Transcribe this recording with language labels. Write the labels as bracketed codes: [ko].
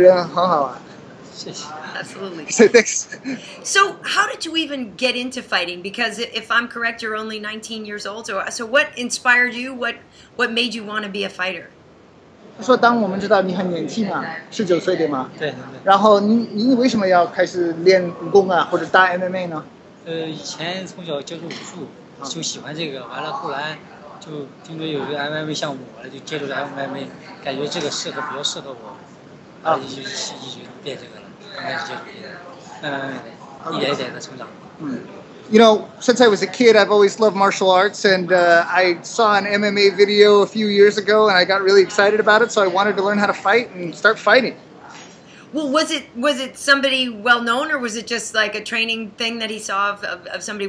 [zh] 他说你这么称羞，你这么称虚，就是不是很骄傲的感觉，这是非常好的一个态度啊。那你那个人很好啊。谢谢。 [en] Absolutely. So thanks. So how did you even get into fighting? Because if I'm correct, you're only 19 years old. So what inspired you? What made you want to be a fighter? [zh] 他说当我们知道你很年轻嘛，19岁对吗？对。然后你为什么要开始练武功啊，或者打 MMA 呢？以前从小接触武术。就喜欢这个，完了后来就听说有一个 MMA 项目，完了就接触了 MMA， 感觉这个适合我，然后就练这个了，慢慢一点一点的成长。 [en] You know, since I was a kid, I've always loved martial arts, and I saw an MMA video a few years ago, and I got really excited about it, so I wanted to learn how to fight and start fighting. Well, was it somebody well known, or was it just like a training thing that he saw of somebody?